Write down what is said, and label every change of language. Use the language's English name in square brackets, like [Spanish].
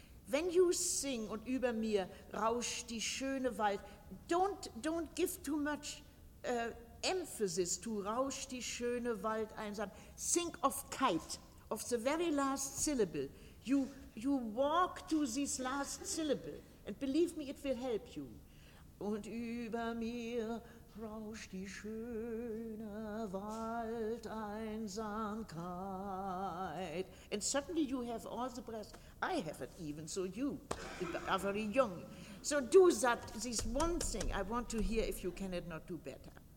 [English] When you sing [German] und über mir rauscht die schöne Wald, [English] don't give too much emphasis to [German] rauscht die schöne Wald einsam. [English] Think of kite, of the very last syllable. You walk to this last syllable, and believe me, it will help you. [German] Und über mir rauscht die schöne Waldeinsamkeit. [English] And suddenly you have all the breath. I have it even, so you are very young. So do that, this one thing. I want to hear if you cannot do better.